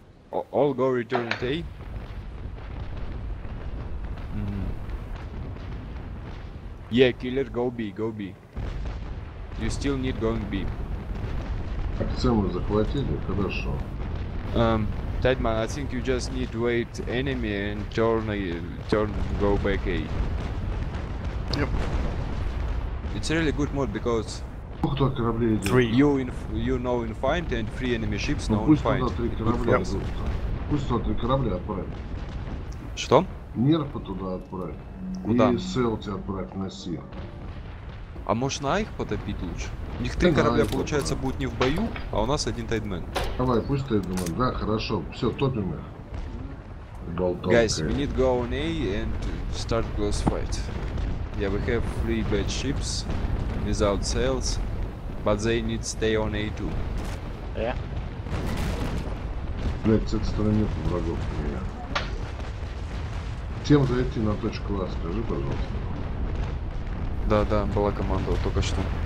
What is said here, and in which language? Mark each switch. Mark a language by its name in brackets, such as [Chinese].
[English] All go return to A. Yeah, killer, go B. You still need going B. [Russian] Акцию мы захватили, хорошо. [English] Тайдман, I think you just need to wait enemy and turn, turn, go back A. Yep. It's really good mode because... [Russian] Ну кто корабли идет? [English] Three. You know in fight and three enemy ships know in fight. [Russian] Пусть туда три корабля идут. Пусть туда три корабля отправят. Что? Нерфа туда отправят. Куда? И селти отправь на Си. А может на их потопить лучше? У них три корабля получается будет не в бою, а у нас один тайдмен. Давай, пусть тайдмен, да, хорошо. Все, топим их. [English] Guys, we need go on A and start close fight. Yeah, we have three bad ships without sails, but they need stay on A too. Yeah. [Russian] Блять, с этой стороны нету врагов, блядь. Всем зайти на точку А, скажи, пожалуйста. Да, да, была команда вот только что.